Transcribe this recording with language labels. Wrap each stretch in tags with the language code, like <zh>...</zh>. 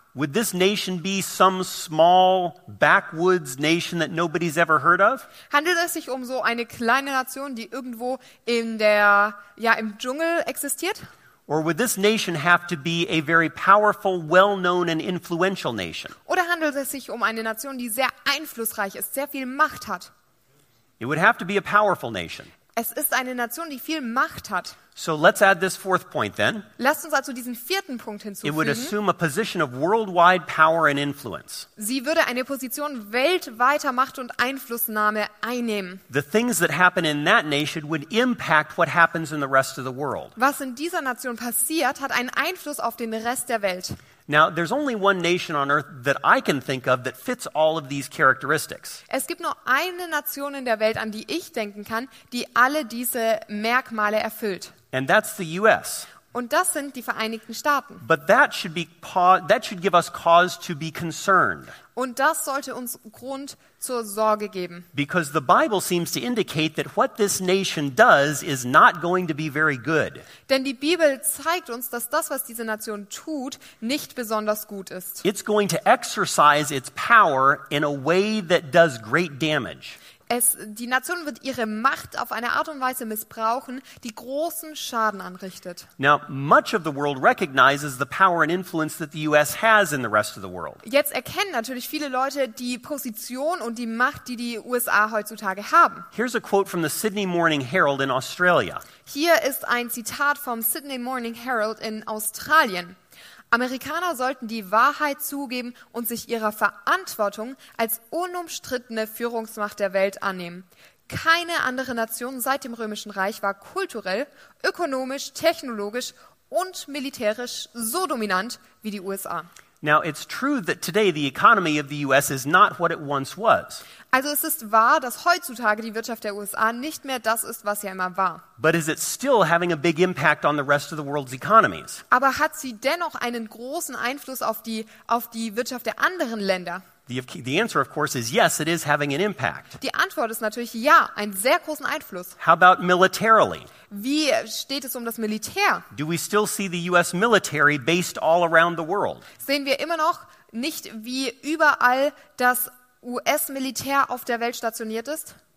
<en>Would this nation be some small backwoods nation that nobody's ever heard of?</en> <de>Handelt es sich um so eine kleine Nation, die irgendwo in der ja im Dschungel existiert?</de> <en>Or would this nation have to be a very powerful, well-known and influential nation?</en> <de>Oder handelt es sich um eine Nation, die sehr einflussreich ist, sehr viel Macht hat?</de> <en>It would have to be a powerful nation.</en> <de>Es ist eine Nation, die viel Macht hat.</de> <en>So let's add this fourth point then.</en> <de>Lasst uns also diesen vierten Punkt hinzufügen.</de> <en>It would assume a position of worldwide power and influence.</en> <de>Sie würde eine Position weltweiter Macht und Einflussnahme einnehmen.</de> <en>The things that happen in that nation would impact what happens in the rest of the world.</en> <de>Was in dieser Nation passiert, hat einen Einfluss auf den Rest der Welt.</de> <en>Now there's only one nation on earth that I can think of that fits all of these characteristics.</en> <de>Es gibt nur eine Nation in der Welt, an die ich denken kann, die alle diese Merkmale erfüllt.</de> <en>And that's the US.</en> <de>Und das sind die Vereinigten Staaten.</de> <en>But that should give us cause to be concerned.</en> <de>Und das sollte uns Grund zur Sorge geben.</de> <en>Because the Bible seems to indicate that what this nation does is not going to be very good.</en> <de>Denn die Bibel zeigt uns, dass das, was diese Nation tut, nicht besonders gut ist.</de> <en>It's going to exercise its power in a way that does great damage.</en> <de>Die Nation wird ihre Macht auf eine Art und Weise missbrauchen, die großen Schaden anrichtet.</de> <en>Now, much of the world recognizes the power and influence that the US has in the rest of the world.</en> <de>Jetzt erkennen natürlich viele Leute die Position und die Macht, die die USA heutzutage haben.</de> <en>Here's a quote from the Sydney Morning Herald in Australia.</en> <de>Hier ist ein Zitat vom Sydney Morning Herald in Australien. Amerikaner sollten die Wahrheit zugeben und sich ihrer Verantwortung als unumstrittene Führungsmacht der Welt annehmen. Keine andere Nation seit dem Römischen Reich war kulturell, ökonomisch, technologisch und militärisch so dominant wie die USA.</de> <en>Now it's true that today the economy of the US is not what it once was.</en> <de>Also es ist wahr, dass heutzutage die Wirtschaft der USA nicht mehr das ist, was sie immer war.</de> <en>But is it still having a big impact on the rest of the world's economies?</en> <de>Aber hat sie dennoch einen großen Einfluss auf die Wirtschaft der anderen Länder?</de> <en>The answer of course is yes, it is having an impact.</en> <de>Die Antwort ist natürlich ja, einen sehr großen Einfluss.</de> <en>How about militarily?</en> <de>Wie steht es um das Militär?</de> <en>Do we still see the US military based all around the world?</en> <de>Sehen wir immer noch nicht, wie überall das US-Militär auf der Welt stationiert ist?</de>